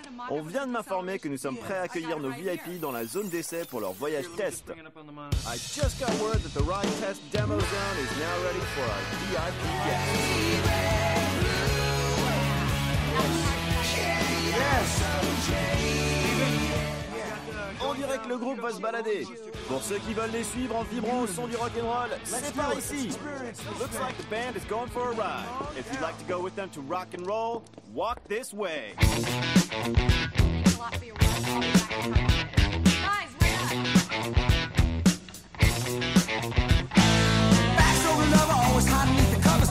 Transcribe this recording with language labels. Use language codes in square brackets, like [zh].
[fr] On vient de m'informer que nous sommes prêts à accueillir nos VIP dans la zone d'essai pour leur voyage test. [en] I just got word that the ride test demo zone is now ready for our VIP guests. Yes. [fr] On dirait que le groupe va se balader. Pour ceux qui veulent les suivre en vibrant au son du rock'n'roll, c'est par ici. [en] Looks like the band is going for a ride. If you'd like to go with them to rock and roll, walk this way. Facts over love are always hot beneath the covers.